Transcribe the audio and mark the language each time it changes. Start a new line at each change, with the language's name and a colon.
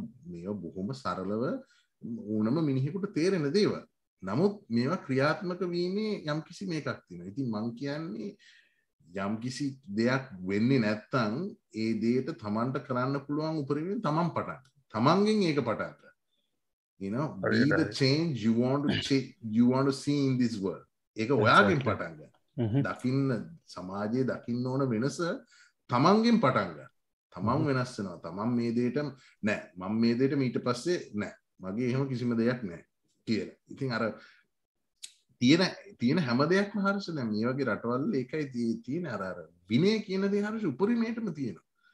Sinhala: මේවා බොහොම සරලව ඕනම මිනිහෙකුට තේරෙන දේවල්. නමුත් මේවා ක්‍රියාත්මක වීමේ යම් කිසි මේකක් තියෙනවා. ඉතින් මං කියන්නේ යම් කිසි දෙයක් වෙන්නේ නැත්තම් ඒ දෙයට තමන්ට කරන්න පුළුවන් උපරිමයෙන් තමන් පටන්. තමන්ගෙන් ඒක පටන් ගන්න.
English: You know, be the change you want to see in this world.
Sinhala: ඒක ඔයාගෙන් පටන් ගන්න. දකින්න සමාජයේ දකින්න ඕන වෙනස තමන්ගෙන් පටන් ගන්න. තමන් වෙනස් වෙනවා. තමන් මේ දෙයට නෑ. මම මේ දෙයට ඊට පස්සේ නෑ. මගේ එහෙම කිසිම දෙයක් නෑ. කියන. ඉතින් අර තියෙන හැම දෙයක්ම හර්ෂ දැන් මේ වගේ රටවල් ඒකයි තියෙන අර විනය කියන දේ හර්ෂ උපරිමයටම තියෙනවා.